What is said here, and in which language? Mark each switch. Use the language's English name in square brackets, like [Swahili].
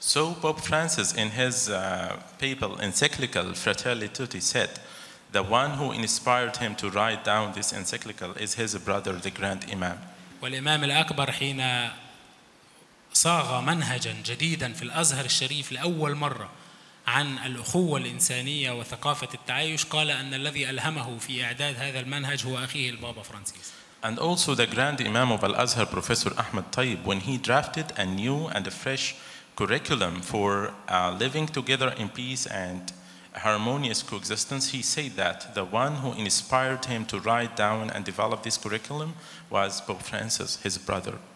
[English] So Pope Francis in his papal encyclical Fratelli Tutti said, the one who inspired him to write down this encyclical is his brother, the Grand Imam. [Arabic] والإمام الأكبر حين صاغ منهجا جديدا في الأزهر الشريف لأول مرة عن الأخوة الإنسانية وثقافة التعايش قال أن الذي ألهمه في إعداد هذا المنهج هو أخيه البابا فرانسيس. [English] And also the Grand Imam of Al-Azhar, Professor Ahmed Tayyib, when he drafted a new and a fresh curriculum for living together in peace and harmonious coexistence, he said that the one who inspired him to write down and develop this curriculum was Pope Francis, his brother.